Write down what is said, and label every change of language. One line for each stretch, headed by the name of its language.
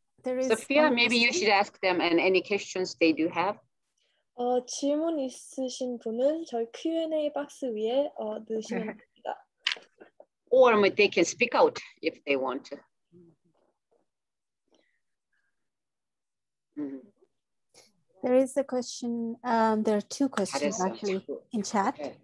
English: Sophia, maybe you should ask them and any questions they do have.
Korean: 질문 있으신 분은 저희 Q&A 박스 위에 넣으시면 됩니다.
English: Or they can speak out if they want to. There is a question, there are two questions actually in chat.